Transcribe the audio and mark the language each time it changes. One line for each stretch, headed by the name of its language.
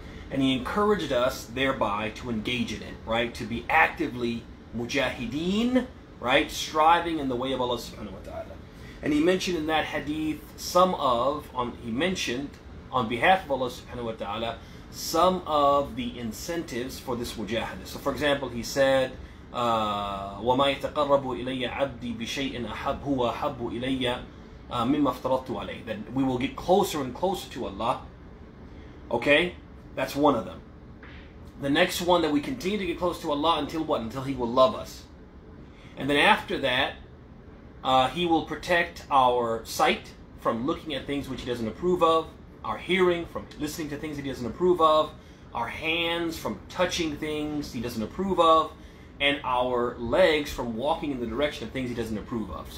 English: And he encouraged us thereby to engage in it, right? To be actively mujahideen, right? Striving in the way of Allah subhanahu wa ta'ala. And he mentioned in that hadith on behalf of Allah subhanahu wa ta'ala, some of the incentives for this mujahada. So for example, he said,
Arabic: وَمَا يَتَقَرَّبُ إِلَيَّ عَبْدِي بِشَيْءٍ هُوَ أَحَبُّ إِلَيَّ مِمَّا افْتَرَضْتُ عَلَيْهِ.
English: That we will get closer and closer to Allah, okay? That's one of them. The next one, that we continue to get close to Allah until what? Until He will love us. And then after that, He will protect our sight from looking at things which He doesn't approve of, our hearing from listening to things He doesn't approve of, our hands from touching things He doesn't approve of, and our legs from walking in the direction of things He doesn't approve of.